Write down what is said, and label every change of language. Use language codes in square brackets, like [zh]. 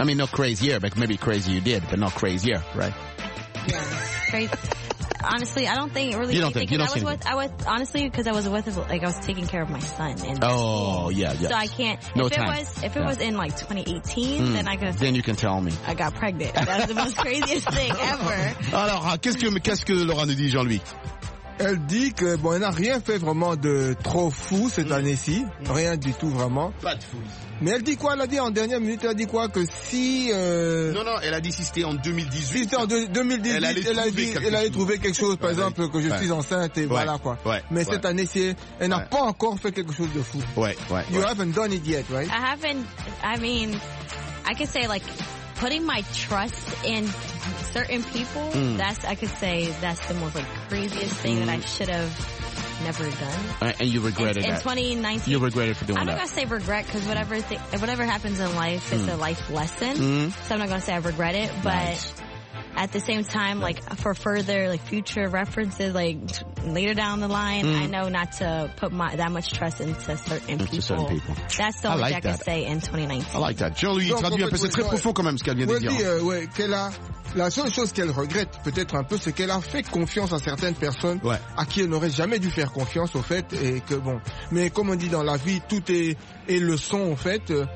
[en] I mean, not crazier, but maybe crazy you did, but not crazier, right? Yeah. Crazy. Honestly, I don't think really. You don't think. You don't I was with. I was honestly because I was with. Like I was taking care of my son. And Yeah. So I can't. No if time. It was, if it was in like 2018, then I could. Then you can tell me. I got pregnant. That's the most craziest thing ever. [fr] Alors, qu'est-ce que Laura nous dit, Jean-Louis? Elle dit que bon, elle n'a rien fait vraiment de trop fou cette année-ci, rien du tout vraiment. Pas de fou. Mais elle dit quoi? Elle a dit en dernière minute, elle a dit quoi? Que si. Non, elle a dit si c'était en 2018. Si c'était en 2018, elle allait trouver quelque chose, par exemple que je suis enceinte et voilà quoi. Ouais. Mais cette année-ci, elle n'a pas encore fait quelque chose de fou. Ouais. [en] You haven't done it yet, right? I haven't. I mean, I could say like putting my trust in. Certain people, that's, I could say, that's the most, like, craziest thing that I should have never done. And you regretted that. In 2019. You regretted for doing that. I'm not going to say regret, because whatever happens in life is a life lesson. So I'm not going to say I regret it, but... Nice. At the same time, like, for further, like, future references, like, later down the line, I know not to put that much trust into certain people. That's the only thing I can say in 2019. I like that. [fr] Jean-Louis, il traduit un peu, c'est très profond quand même ce qu'elle vient de dire. Oui, qu'elle a, la seule chose qu'elle regrette peut-être un peu, c'est qu'elle a fait confiance à certaines personnes à qui elle n'aurait jamais dû faire confiance, au fait, et que bon. Mais comme on dit dans la vie, tout est leçon, en fait.